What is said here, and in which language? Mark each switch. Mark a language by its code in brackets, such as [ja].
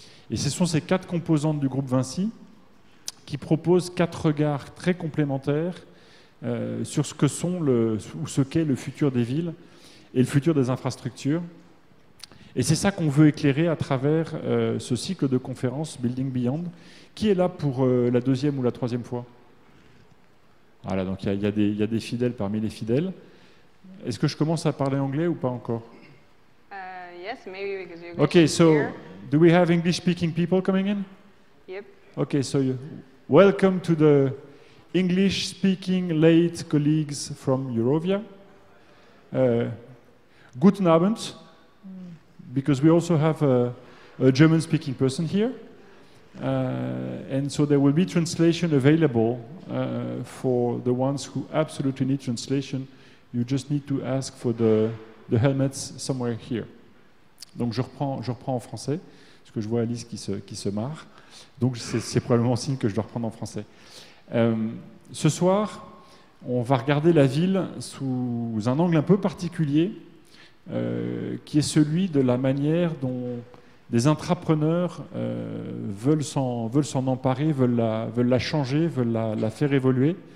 [fr] Et ce sont ces quatre composantes du groupe Vinci qui proposent quatre regards très complémentaires sur ce que sont ou ce qu'est le futur des villes et le futur des infrastructures. Et c'est ça qu'on veut éclairer à travers ce cycle de conférences Building Beyond, qui est là pour la deuxième ou la troisième fois. Voilà, donc il y a des fidèles parmi les fidèles. Est-ce que je commence à parler anglais ou pas encore? [en] Yes, maybe because you're going to be here. Okay, so do we have English-speaking people coming in? Yep. Okay, so welcome to the English-speaking late colleagues from Eurovia. [de] Guten Abend. [en] Because we also have a German-speaking person here. And so there will be translation available for the ones who absolutely need translation. You just need to ask for the helmets somewhere here. [fr] Donc je reprends en français, parce que je vois Alice qui se marre. Donc c'est probablement signe que je dois reprendre en français. Ce soir, on va regarder la ville sous un angle un peu particulier, qui est celui de la manière dont des intrapreneurs veulent s'en emparer, veulent la changer, veulent la faire évoluer.